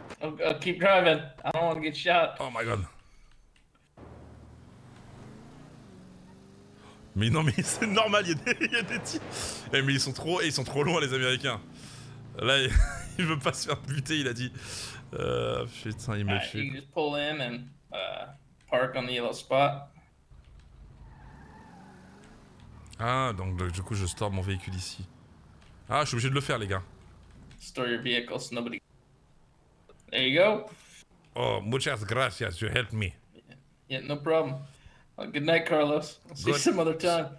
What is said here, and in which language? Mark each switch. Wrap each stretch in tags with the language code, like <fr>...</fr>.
<en>I'll keep driving. I don't want to get shot. Oh my god.</en> <fr>Mais non, mais c'est normal, il y a des tirs. Eh, mais ils sont trop loin, les Américains. Là, il veut pas se faire buter, il a dit. Putain, il me fait.</fr> <en>You just pull in and park on the yellow spot.</en> <fr>Ah, donc du coup, je store mon véhicule ici. Ah, je suis obligé de le faire, les gars.</fr> <en>Store your vehicle so nobody. There you go. Oh,</en> <es>muchas gracias.</es> <en>You helped me. Yeah, no problem. Well, good night, Carlos. I'll see you some other time.</en>